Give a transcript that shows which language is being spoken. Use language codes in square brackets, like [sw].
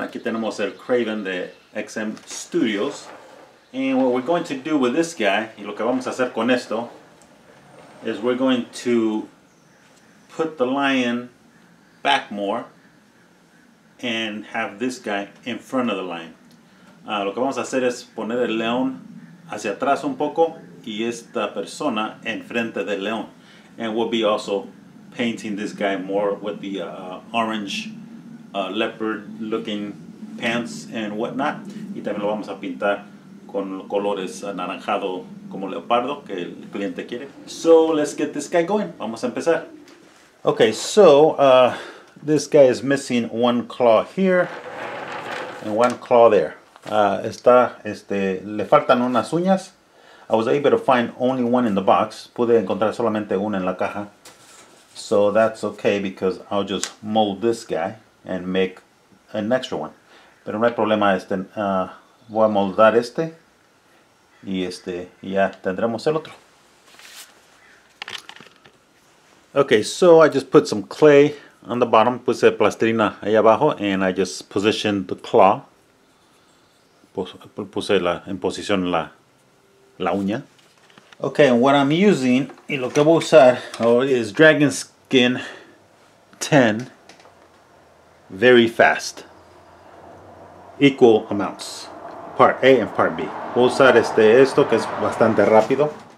[es] Aquí tenemos el KRAVEN de XM Studios. [en] And what we're going to do with this guy, [es] y lo que vamos a hacer con esto, [en] is we're going to put the lion back more and have this guy in front of the lion. [es] Lo que vamos a hacer es poner el león hacia atrás un poco y esta persona enfrente del león. [en] And we'll be also painting this guy more with the orange leopard looking pants and whatnot. [es] Y también lo vamos a pintar con colores anaranjado como leopardo que el cliente quiere. [en] So let's get this guy going. [es] Vamos a empezar. [en] Okay, so this guy is missing one claw here and one claw there. [es] Le faltan unas uñas. [en] I was able to find only one in the box. [es] Pude encontrar solamente una en la caja. [en] So that's okay because I'll just mold this guy and make an extra one. [es] Pero no hay problema, voy a moldar este. Y ya tendremos el otro. [en] Okay, so I just put some clay on the bottom. [es] Puse plastilina ahí abajo [en] and I just positioned the claw. [es] Puse la en posición la... la uña. [en] Okay, and what I'm using, [es] y lo que voy a usar, [en] is Dragon Skin 10, very fast, equal amounts, part A and part B. [es] Voy a usar esto que es bastante rápido.